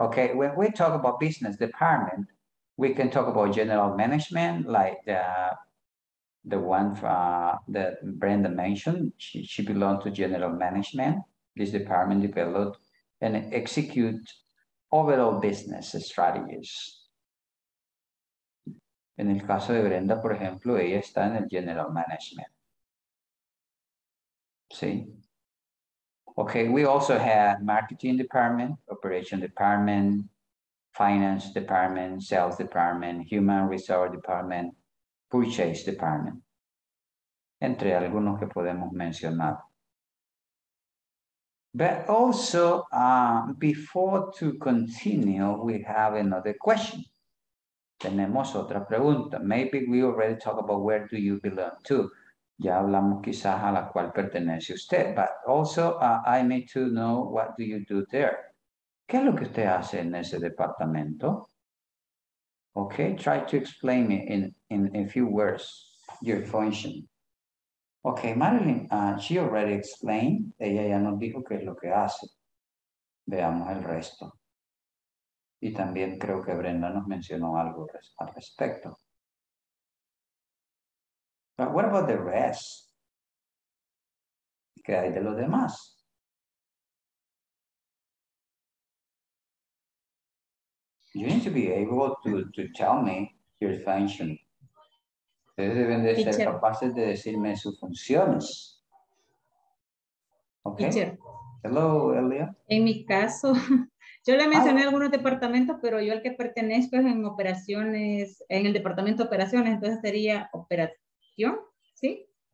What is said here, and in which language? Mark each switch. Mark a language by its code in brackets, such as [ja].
[en] Okay, when we talk about business department, we can talk about general management, like the one that Brenda mentioned. She belongs to general management. This department developed and execute overall business strategies. [es] En el caso de Brenda, por ejemplo, ella está en el general management. [en] ¿Sí? Okay, we also have marketing department, operation department, finance department, sales department, human resource department, purchase department, [es] entre algunos que podemos mencionar. [en] But also, before to continue, we have another question. [es] Tenemos otra pregunta. [en] Maybe we already talked about where do you belong to. [es] Ya hablamos quizás a la cual pertenece usted. [en] But also, I need to know what do you do there. [es] ¿Qué es lo que usted hace en ese departamento? [en] Okay, try to explain me in a few words your function. Okay, Marilyn, she already explained. [es] Ella ya nos dijo qué es lo que hace. Veamos el resto. Y también creo que Brenda nos mencionó algo al respecto. [en] But what about the rest? [es] ¿Qué hay de los demás? [en] You need to be able to tell me your function. [es] Ustedes deben de ser capaces de decirme sus funciones. [en] Ok. Hello, Elia. [es] En mi caso... Yo le mencioné algunos departamentos, pero yo el que pertenezco es en operaciones, en el departamento de operaciones, entonces sería operación, ¿sí?